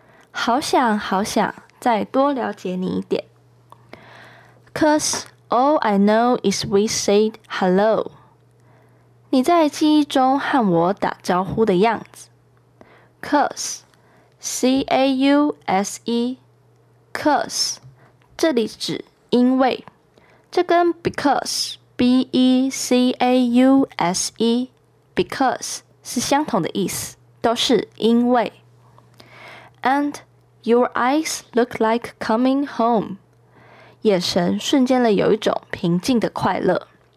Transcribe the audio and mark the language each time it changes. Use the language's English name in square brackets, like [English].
[Chinese] 好想好想再多了解你一点。 [English] Cause all I know is we said hello. [Chinese] 你在记忆中和我打招呼的样子。 [English] Cause, C-A-U-S-E, cause, [Chinese] 这里指因为。这跟 because, B-E-C-A-U-S-E,Because 是相同的意思，都是因为。 [English] And your eyes look like coming home. [Chinese] 眼神瞬间了有一种平静的快乐。